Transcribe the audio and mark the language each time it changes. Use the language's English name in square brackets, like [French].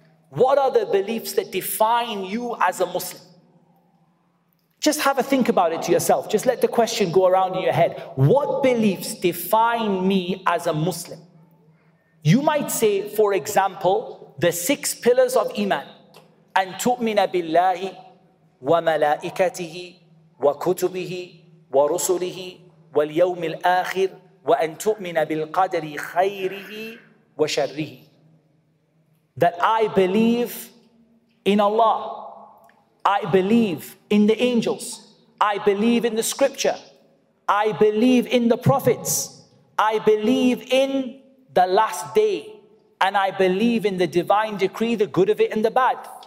[English] What are the beliefs that define you as a Muslim? Just have a think about it to yourself. Just let the question go around in your head. What beliefs define me as a Muslim? You might say, for example, the six pillars of Iman. [Arabic] أن تؤمن بالله وملائكته وكتبه ورسله واليوم الآخر وأن تؤمن بالقدر خيره وشره. [English] That I believe in Allah, I believe in the angels, I believe in the scripture, I believe in the prophets, I believe in the last day, and I believe in the divine decree, the good of it and the bad.